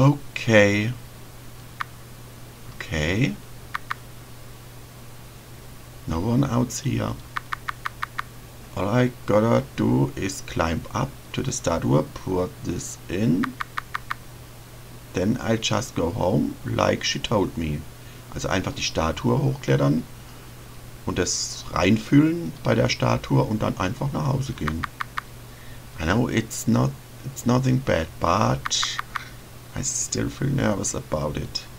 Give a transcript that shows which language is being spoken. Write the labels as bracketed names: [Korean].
[English] Okay. No one else here. All I gotta do is climb up to the statue, pour this in. Then I just go home, like she told me. [German] Also einfach die Statue hochklettern und das reinfühlen bei der Statue und dann einfach nach Hause gehen. [English] I know it's nothing bad, but I still feel nervous about it.